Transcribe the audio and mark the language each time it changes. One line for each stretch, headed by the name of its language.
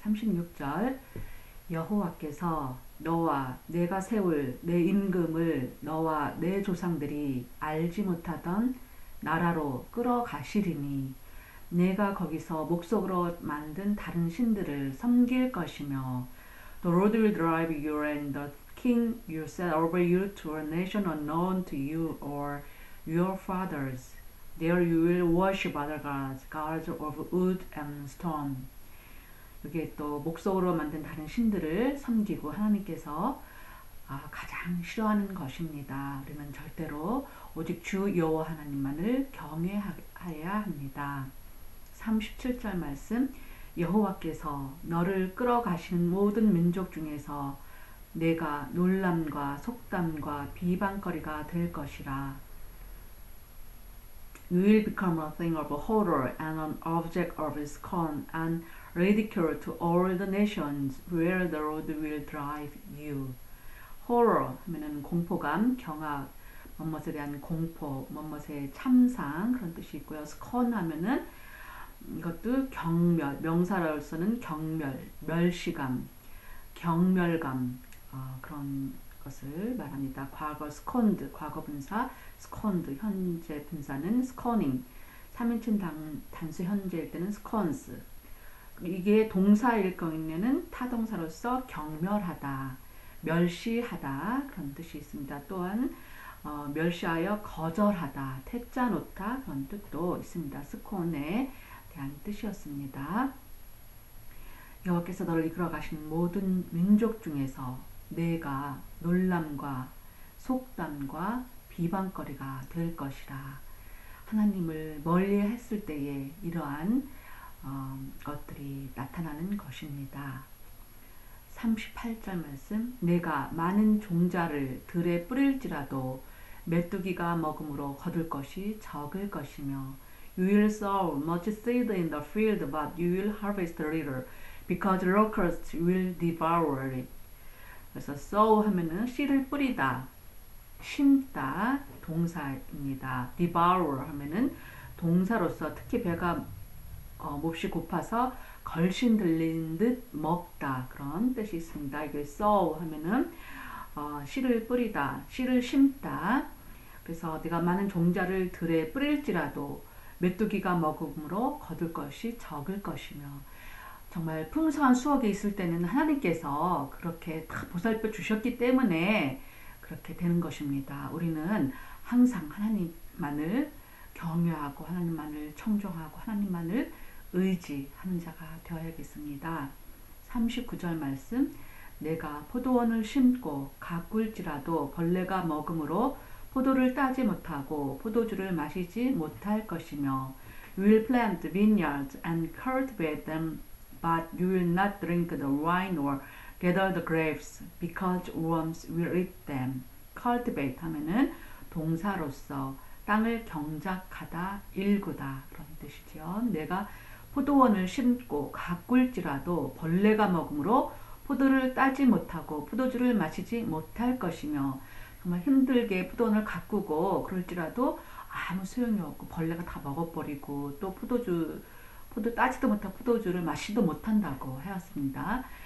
Korean: 36절 여호와께서 너와 내가 세울 내 임금을 너와 내 조상들이 알지 못하던 나라로 끌어가시리니 내가 거기서 목속으로 만든 다른 신들을 섬길 것이며
English: The Lord will drive you and the King, you set over you to a nation unknown to you or your fathers. There you will worship other gods, gods of wood and stone.
Korean: 이게 또 목속으로 만든 다른 신들을 섬기고 하나님께서 가장 싫어하는 것입니다. 우리는 절대로 오직 주 여호와 하나님만을 경외해야 합니다. 37절 말씀 여호와께서 너를 끌어가시는 모든 민족 중에서 내가 놀람과 속담과 비방거리가 될 것이라.
English: You will become a thing of horror and an object of scorn and ridicule to all the nations where the Lord will drive you.
Korean: Horror 하면은 공포감, 경악, 뭔것에 대한 공포, 뭔것의 참상 그런 뜻이 있고요. Scorn 하면은 이것도 경멸, 명사로서는 경멸, 멸시감, 경멸감. 그런 것을 말합니다. 과거 scorned, 과거 분사 scorned, 현재 분사는 scorning, 3인칭 단수 현재일 때는 scorns. 이게 동사일 경우에는 타동사로서 경멸하다, 멸시하다 그런 뜻이 있습니다. 또한 멸시하여 거절하다, 퇴짜 놓다 그런 뜻도 있습니다. scorn에 대한 뜻이었습니다. 여호와께서 너를 이끌어 가신 모든 민족 중에서 내가 놀람과 속담과 비방거리가 될 것이라. 하나님을 멀리 했을 때에 이러한 것들이 나타나는 것입니다. 38절 말씀 내가 많은 종자를 들에 뿌릴지라도 메뚜기가 먹음으로 거둘 것이 적을 것이며
English: You will sow much seed in the field but you will harvest little because locusts will devour it.
Korean: 그래서 sow 하면은 씨를 뿌리다, 심다, 동사입니다. devour 하면은 동사로서 특히 배가 몹시 고파서 걸신 들린 듯 먹다 그런 뜻이 있습니다. 이게 sow 하면은 씨를 뿌리다, 씨를 심다. 그래서 네가 많은 종자를 들에 뿌릴지라도 메뚜기가 먹음으로 거둘 것이 적을 것이며 정말 풍성한 수확이 있을 때는 하나님께서 그렇게 다 보살펴 주셨기 때문에 그렇게 되는 것입니다. 우리는 항상 하나님만을 경외하고 하나님만을 청종하고 하나님만을 의지하는 자가 되어야겠습니다. 39절 말씀 내가 포도원을 심고 가꿀지라도 벌레가 먹음으로 포도를 따지 못하고 포도주를 마시지 못할 것이며
English: You will plant vineyards and cultivate them But you will not drink the wine or gather the grapes because worms will eat them.
Korean: Cultivate 하면은 동사로서 땅을 경작하다, 일구다 그런 뜻이죠. 내가 포도원을 심고 가꿀지라도 벌레가 먹음으로 포도를 따지 못하고 포도주를 마시지 못할 것이며 정말 힘들게 포도원을 가꾸고 그럴지라도 아무 소용이 없고 벌레가 다 먹어버리고 또 포도 따지도 못하고 포도주를 마시도 못한다고 하였습니다.